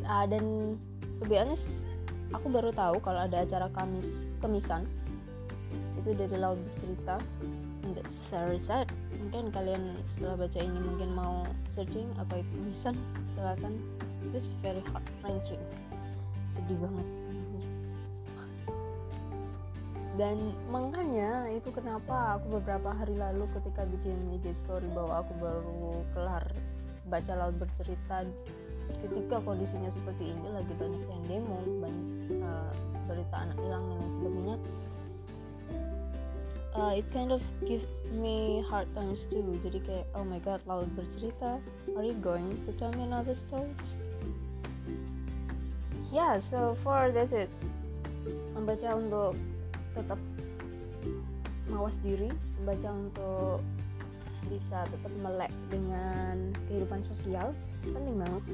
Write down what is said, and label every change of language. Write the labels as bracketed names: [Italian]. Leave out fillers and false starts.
[Indonesian] Dan [English] to be honest, [Indonesian] aku baru tahu kalau ada acara kemisan itu dari laut cerita. [English] And that's very sad. [Indonesian] Mungkin kalian setelah baca ini mungkin mau searching apa itu kemisan, silakan. [English] This is very heart wrenching, [Indonesian] sedih banget. Dan makanya itu kenapa aku beberapa hari lalu ketika bikin IG story bahwa aku baru kelar baca laut bercerita, ketika kondisinya seperti ini lagi banyak yang demo, banyak berita anak hilang dan sebagainya, [English] it kind of gives me hard times too. [Indonesian] Jadi kayak, [English] oh my god, laut bercerita, are you going to tell me another stories? Yeah, so far that's it. [Indonesian] Membaca untuk tetap mawas diri, membaca untuk bisa tetap melek dengan kehidupan sosial, penting banget.